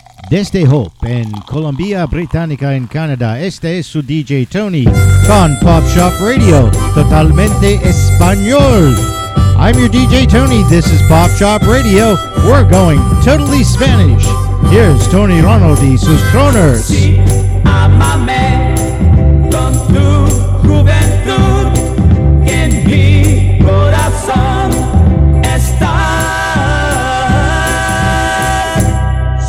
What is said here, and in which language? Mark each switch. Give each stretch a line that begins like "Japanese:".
Spanish: Desde Hope en Colombia Británica en Canadá, este es su DJ Tony con Pop Shop Radio, totalmente español.
English: I'm your DJ Tony, this is Pop Shop Radio, we're going totally Spanish. Here's Tony Ronald y sus troners.
Spanish: Amame con tu juventud, que en mi corazón está.